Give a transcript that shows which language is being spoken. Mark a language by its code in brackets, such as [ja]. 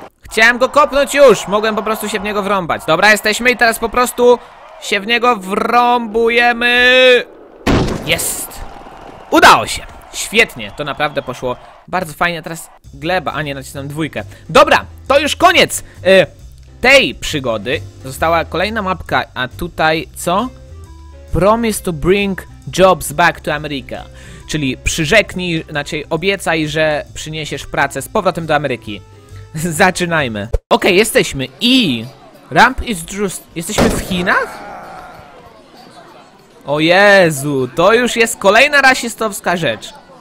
[pl] Chciałem go kopnąć już! Mogłem po prostu się w niego wrąbać. Dobra, jesteśmy i teraz po prostu się w niego wrąbujemy! Jest! Udało się! Świetnie, to naprawdę poszło bardzo fajnie. Teraz gleba, a nie, nacisnąłem dwójkę. Dobra, to już koniec tej przygody. Została kolejna mapka, a tutaj co? [en] Promise to bring jobs back to America. [pl] Czyli przyrzeknij, znaczy obiecaj, że przyniesiesz pracę z powrotem do Ameryki. Zaczynajmy. Okej, jesteśmy i... [en] Ramp is just... [pl] Jesteśmy w Chinach? O Jezu, to już jest kolejna rasistowska rzecz.